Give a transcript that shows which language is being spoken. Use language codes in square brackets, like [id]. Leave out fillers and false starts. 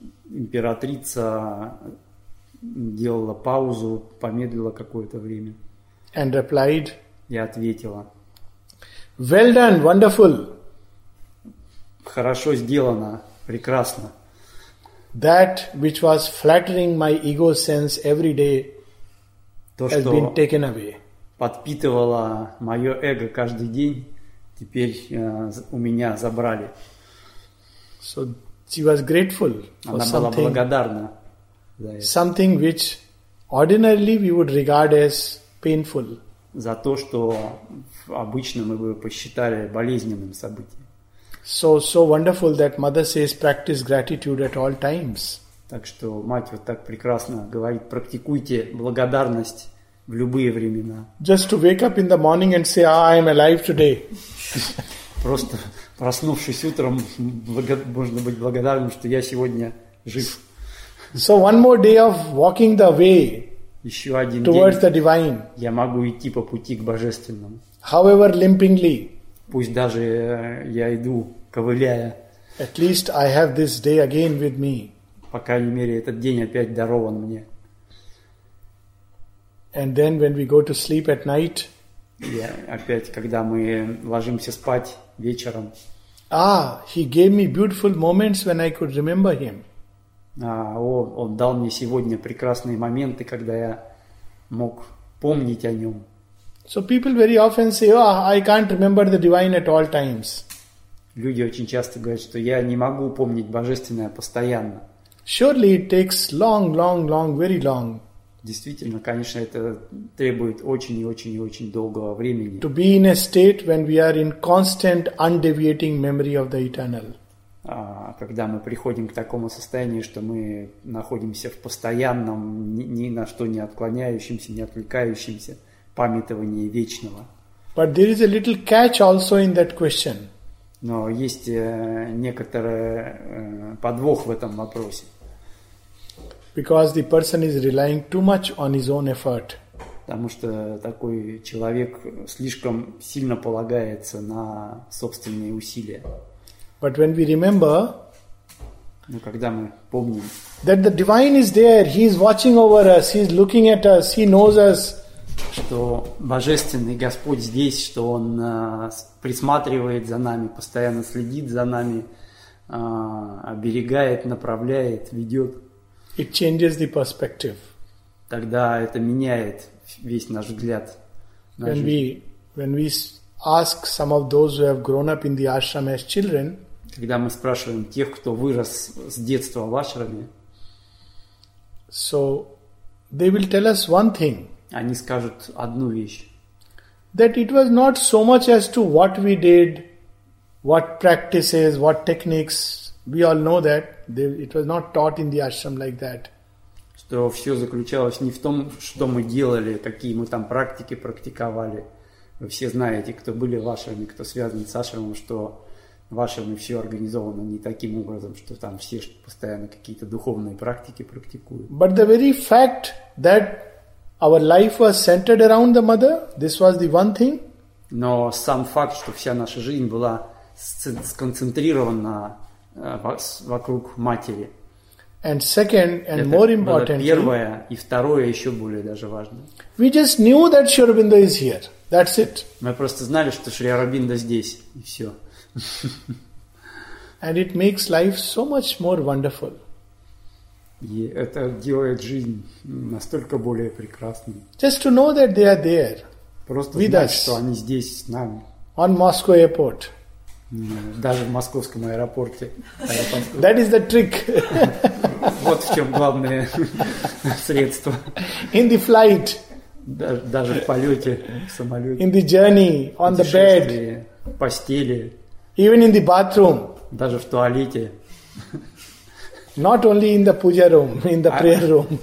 [ru] Императрица делала паузу, помедлила какое-то время. [en] And replied. [ru] И ответила. [en] Well done, wonderful. [ru] Хорошо сделано, прекрасно. [en] That which was flattering my ego sense every day has been taken away. [ru] Подпитывало мое эго каждый день, теперь у меня забрали. [en] So she was grateful. [ru] Она была благодарна. [en] Something which ordinarily we would regard as painful. [ru] За то, что обычно мы бы посчитали болезненным событием. [en] So wonderful that mother says practice gratitude at all times. [ru] Так что мать вот так прекрасно говорит, практикуйте благодарность в любые времена. [en] Just to wake up in the morning and say, I am alive today. [ru] Просто проснувшись утром, можно быть благодарным, что я сегодня жив. [en] So one more day of walking the way. [ru] Еще один [en] towards [ru] день [en] the divine. [ru] Я могу идти по пути к божественному. [en] However limpingly. [ru] Пусть даже я иду, ковыляя. [en] At least I have this day again with me. [ru] По крайней мере, этот день опять дарован мне. [en] And then when we go to sleep at night. [ru] Я опять, когда мы ложимся спать вечером. [en] Ah, he gave me beautiful moments when I could remember him. [ru] Он дал мне сегодня прекрасные моменты, когда я мог помнить о нем. [en] So people very often say, oh, I can't remember the divine at all times. [ru] Люди очень часто говорят, что я не могу помнить божественное постоянно. [en] Surely it takes long, long, long, very long. [ru] Действительно, конечно, это требует очень и очень и очень долгого времени. [en] To be in a state when we are in constant, undeviating memory of the eternal. [ru] Когда мы приходим к такому состоянию, что мы находимся в постоянном, ни на что не отклоняющемся, не отвлекающемся памятовании вечного. [en] But there is a little catch also in that question. [ru] Но есть некоторый подвох в этом вопросе. [en] Because the person is relying too much on his own effort. [ru] Потому что такой человек слишком сильно полагается на собственные усилия. [en] But when we remember, [ru] но когда мы помним, [en] that the divine is there, he is watching over us, he is looking at us, he knows us, [ru] что божественный Господь здесь, что он присматривает за нами, постоянно следит за нами, оберегает, направляет, ведет, [en] it changes the perspective. [ru] Тогда это меняет весь наш взгляд. [en] When we ask some of those who have grown up in the ashram as children. [ru] Когда мы спрашиваем тех, кто вырос с детства в ашраме, [en] so they will tell us one thing. [ru] Они скажут одну вещь. [en] That it was not so much as to what we did, what practices, what techniques. We all know that it was not taught in the ashram like that. [ru] Что все заключалось не в том, что мы делали, какие мы там практики практиковали. Вы все знаете, кто были в ашраме, кто связан с ашрамом, что ваше мы все организовано не таким образом, что там все постоянно какие-то духовные практики практикуют. [en] But the very fact that our life was centered around the mother. This was the one thing. [ru] Но сам факт, что вся наша жизнь была сконцентрирована вокруг матери. [en] And second, and [ru] это [en] more important, [ru] первое и второе еще более даже важно. [en] We just knew that Sri Aurobindo is here. That's it. [ru] Мы просто знали, что Шри Аурабиндо здесь и все. [en] And it makes life so much more wonderful. [ru] И это делает жизнь настолько более прекрасной. [en] Just to know that they are there. [ru] Просто [en] with [ru] знать, [en] us. [ru] Что они здесь с нами. [en] On Moscow airport. [ru] Даже в московском аэропорте. [en] That is the trick. [ru] Вот в чем главное средство. [en] In the flight. [ru] Даже в полете, в самолете. [en] In the journey, on the bed. [ru] В постели. [en] Even in the bathroom. [ru] Даже в туалете. [en] Not only in the puja room, in the prayer room.